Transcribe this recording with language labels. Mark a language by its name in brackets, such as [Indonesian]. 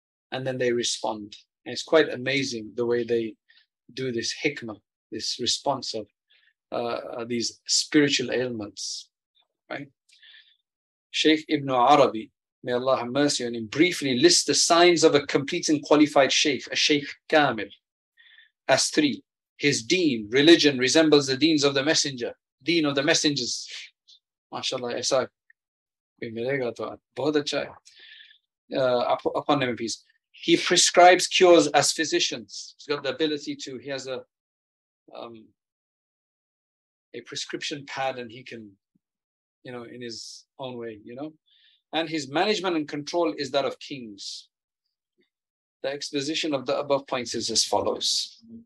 [English] And then they respond. And it's quite amazing the way they do this hikmah, this response of these spiritual ailments, right? Sheikh Ibn Arabi, may Allah have mercy on him, briefly lists the signs of a complete and qualified sheikh, a sheikh kamil, as three. His deen, religion, resembles the deens of the messenger. Deen of the messengers. [Hindi] माशाअल्लाह, ऐसा कोई मिलेगा तो बहुत अच्छा है. [English] Upon him, peace. He prescribes cures as physicians. He's got the ability to, he has a prescription pad, and he can, you know, in his own way, you know. And his management and control is that of kings. The exposition of the above points is as follows.